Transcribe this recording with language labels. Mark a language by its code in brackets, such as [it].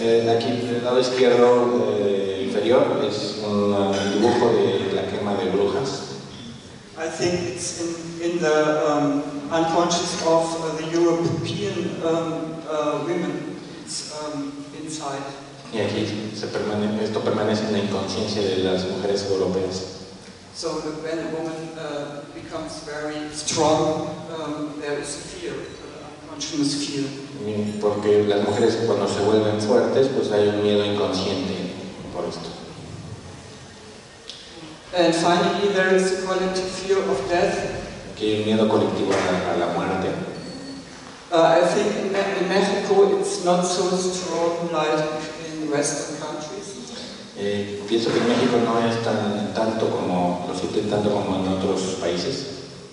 [es] Aquí en el lado izquierdo inferior es un dibujo de la quema de brujas. [en] I think it's in the unconscious of the European women. It's inside. [es] Y aquí esto permanece en la inconsciencia de las mujeres europeas. [en] So when a woman becomes very strong, there is fear, unconscious fear. [es] Y porque las mujeres cuando se vuelven fuertes, pues hay un miedo inconsciente por esto. [en] And finally, there is a collective fear of death. [es] Aquí hay un miedo colectivo a la muerte. [en] I think in Mexico it's not so strong like in Western countries. [es] Pienso que en México no es tanto como lo sienten tanto como en otros países.